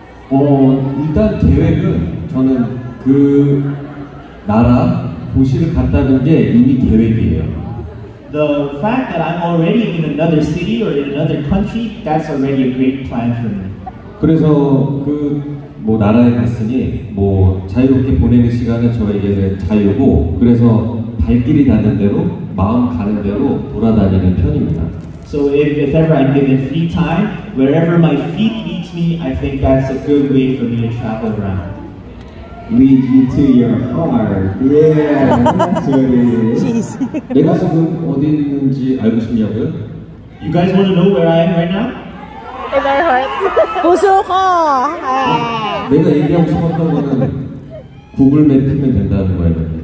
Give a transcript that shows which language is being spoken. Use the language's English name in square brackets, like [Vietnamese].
[Korean] 어 일단 계획은 저는 그 나라 도시를 갔다는 게 이미 계획이에요. [English] The fact that I'm already in another city or in another country, that's already a great plan for me. [Korean] 그래서 그 뭐 나라에 갔으니 뭐 자유롭게 보내는 시간은 저에게는 자유고 그래서 발길이 닿는 대로 마음 가는 대로 돌아다니는 편입니다. [English] So if ever I'm given free time, wherever my feet lead me, I think that's a good way for me to travel around. Lead you to your heart. Yeah, that's what it is. [Korean] 내가 지금 어디 있는지 알고 싶냐고요? [English] You guys want to know where I am right now? In my heart. [Korean] 고소하. 내가 얘기하고 싶었던 거는 구글 맵이면 된다는 거예요.